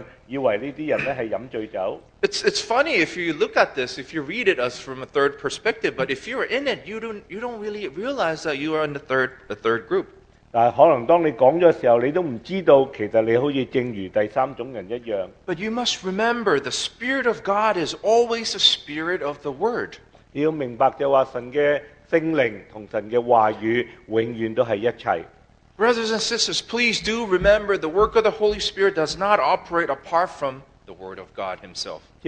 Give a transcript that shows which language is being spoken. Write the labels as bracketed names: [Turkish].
[English] It's funny if you look at this, if you read it as from a third perspective, but if you're in it, you don't really realize that you are in the third group. [Cantonese] 但可能当你讲的时候，你都唔知道，其实你好似正如第三种人一样。 [English] But you must remember, the Spirit of God is always the Spirit of the Word. [Cantonese] 要明白就话神嘅圣灵同神嘅话语永远都系一齐。 [English] Brothers and sisters, please do remember the work of the Holy Spirit does not operate apart from the Word of God Himself.